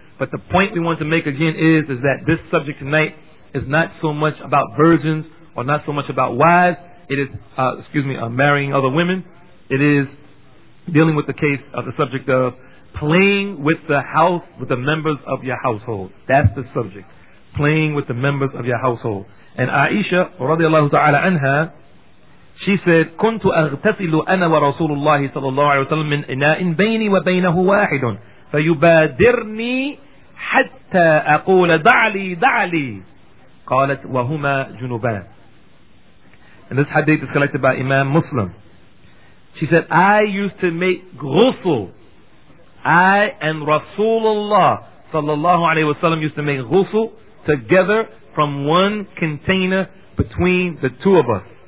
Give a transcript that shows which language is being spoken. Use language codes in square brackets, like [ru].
[en] But the point we want to make again is that this subject tonight is not so much about virgins or not so much about wives. It is, marrying other women. It is dealing with the case of the subject of playing with the house, with the members of your household. That's the subject. Playing with the members of your household. And Aisha radiallahu ta'ala anha, she said, [ar] كُنْتُ أَغْتَسِلُ أَنَا وَرَسُولُ اللَّهِ صَلَى اللَّهُ عَلَيْهِ وَسَلَّمْ مِنْ إِنَاءٍ بَيْنِي وَبَيْنَهُ وَاحِدٌ فَيُبَادِرْنِي حَتَّى أَقُولَ دَعْلِي دَعْلِي قَالَتْ وَهُمَا جُنُبَانِ. [en] And this hadith is collected by Imam Muslim. She said, I used to make ghusl. I and Rasulullah sallallahu alayhi wasallam used to make ghusl together from one container between the two of us.